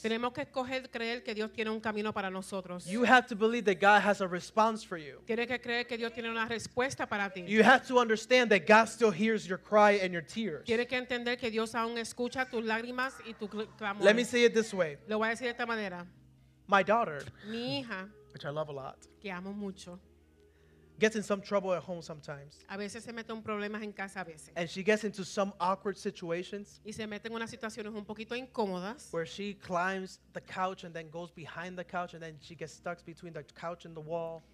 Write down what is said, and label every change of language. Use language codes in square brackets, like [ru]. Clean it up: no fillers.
[es] Tenemos que escoger creer que Dios tiene un camino para nosotros. [en] You have to believe that God has a response for you. [es] Tienes que creer que Dios tiene una respuesta para ti. [en] You have to understand that God still hears your cry and your tears. [es] Tiene que entender que Dios aún escucha tus lágrimas y tu clamor. [en] Let me say it this way. [es] Lo voy a decir de esta manera. [en] My daughter, [es] mi hija, [en] which I love a lot, [es] que amo mucho, [en] gets in some trouble at home sometimes. [es] A veces se mete en problemas en casa a veces. [en] And she gets into some awkward situations. [es] Y se mete en unas situaciones un poquito incómodas. [en] Where she climbs the couch and then goes behind the couch and then she gets stuck between the couch and the wall.